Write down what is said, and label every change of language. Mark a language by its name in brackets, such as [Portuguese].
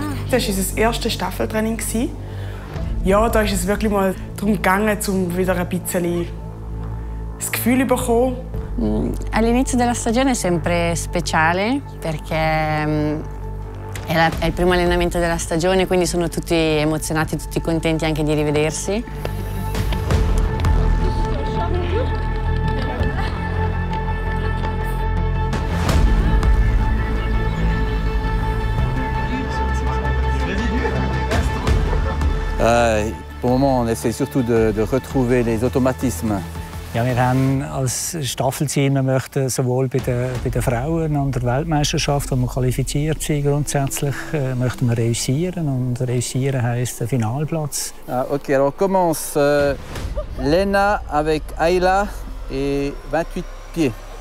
[German] Das war unser erstes Staffeltraining. Ja, da ist es wirklich mal darum gegangen, um wieder ein bisschen das Gefühl zu bekommen. [Italian] All'inizio della stagione è sempre speciale, perché è il primo allenamento della stagione, quindi sono tutti emozionati, tutti contenti anche di rivedersi. [French] Pour le moment, on essaie surtout de retrouver les automatismes. [German] Ja, wir haben als Staffelteam, wir möchten sowohl bei den Frauen an der Weltmeisterschaft, wo wir qualifiziert sind, grundsätzlich möchten wir reüssieren. Und reüssieren heisst den Finalplatz. [French] Ah, okay, alors commence Lena avec Ayla et 28 pieds.